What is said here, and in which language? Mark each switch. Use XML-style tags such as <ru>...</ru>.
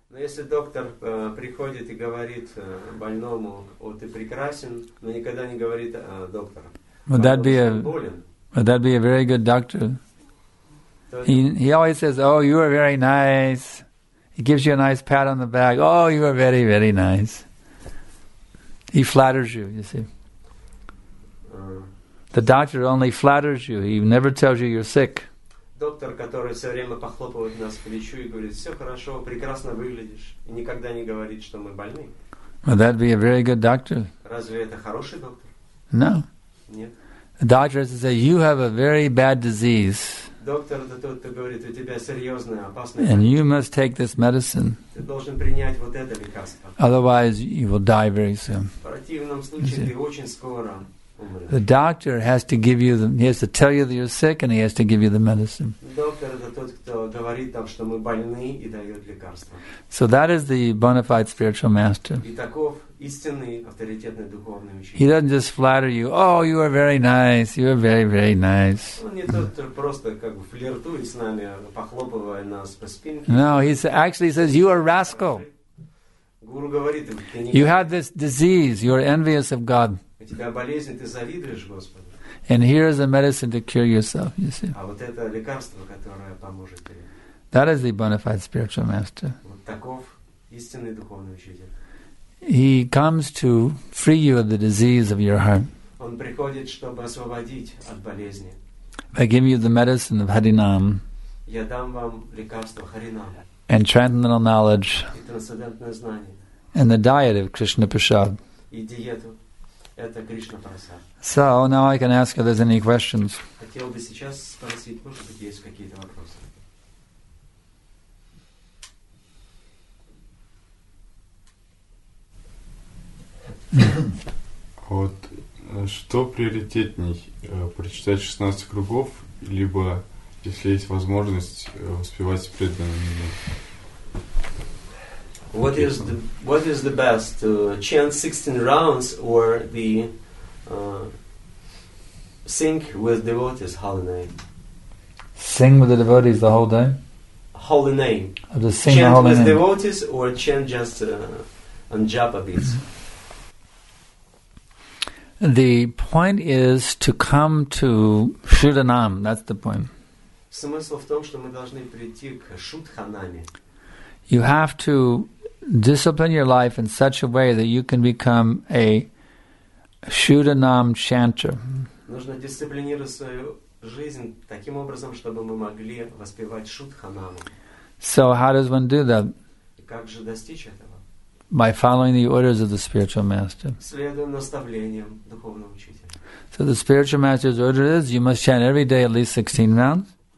<ru>Но если доктор приходит и говорит больному, "О, ты прекрасен," но никогда не говорит доктору.</ru> <en>Would that be a Would that be a very good doctor? He always says, "Oh, you are very nice." He gives you a nice pat on the back. "Oh, you are very, very nice." He flatters you, you see. The doctor only flatters you. He never tells you you're sick.</en> <ru>Доктор, который все время похлопывает нас по плечу и говорит, "Все хорошо, прекрасно выглядишь," и никогда не говорит, что мы больны.</ru> <en>Would that be a very good doctor?</en> <ru>Разве это хороший доктор?</ru> <en>No.</en> <ru>Нет.</ru> <en>The doctor has to say, "You have a very bad disease,</en> <ru>доктор, это тот, кто говорит, у тебя серьезная, опасная,</ru> <en>and you must take this medicine.</en> <ru>Ты должен принять вот это лекарство.</ru> <en>Otherwise, you will die very soon."</en> <ru>В противном случае, ты очень скоро умрешь.</ru> <en>The doctor has to give you the, he has to tell you that you're sick, and he has to give you the medicine.</en> <ru>Доктор, это тот, кто говорит нам, что мы больны, и дает лекарство.</ru> <en>So that is the bona fide spiritual master.</en> <ru>И таков истинный авторитетный духовный учитель.</ru> <en>He doesn't just flatter you. "Oh, you are very nice. You are very, very nice."</en> <ru>Он не тот, кто просто как бы флиртует с нами, похлопывая нас по спинке.</ru> <en>No, he actually says, "You are a rascal.</en> <ru>Гуру говорит, ты не..."</ru> <en>You have this disease. You are envious of God.</en> <ru>У тебя болезнь, ты завидуешь Господу.</ru> <en>And here is a medicine to cure yourself, you see.</en> <ru>А вот это лекарство, которое поможет тебе.</ru> <en>That is the bona fide spiritual master.</en> <ru>Вот таков истинный духовный учитель.</ru> <en>He comes to free you of the disease of your heart.</en> <ru>Он приходит, чтобы освободить от болезни.</ru> <en>I give you the medicine of Harinam.</en> <ru>Я дам вам лекарство Харинам.</ru> <en>And transcendental knowledge.</en> <ru>И трансцендентное знание.</ru> <en>And the diet of Krishna Prasad.</en> <ru>И диету. Это Кришна Прасад.</ru> <en>So now I can ask if there's any questions.</en> <ru>Хотел бы сейчас спросить, может быть, есть какие-то вопросы. Вот что приоритетней, прочитать 16 кругов, либо, если есть возможность, воспевать преданными?</ru> <en>What is the best, to chant 16 rounds or the sing with devotees holy name? Sing with the devotees the whole day? Holy name. Or just sing chant holy with name. Devotees or chant just on japa beats? The point is to come to Shuddhanam. That's the point.</en> <ru>Смысл в том, что мы должны прийти к Шудханаме.</ru> <en>You have to discipline your life in such a way that you can become a Shuddhanam chanter.</en> <ru>Нужно дисциплинировать свою жизнь таким образом, чтобы мы могли воспевать Шудханаму.</ru> <en>So how does one do that?</en> <ru>Как же достичь этого?</ru> <en>By following the orders of the spiritual master.</en> <ru>Следуем наставлениям духовного учителя.</ru> <en>So the spiritual master's order is you must chant every day at least 16 rounds.</en>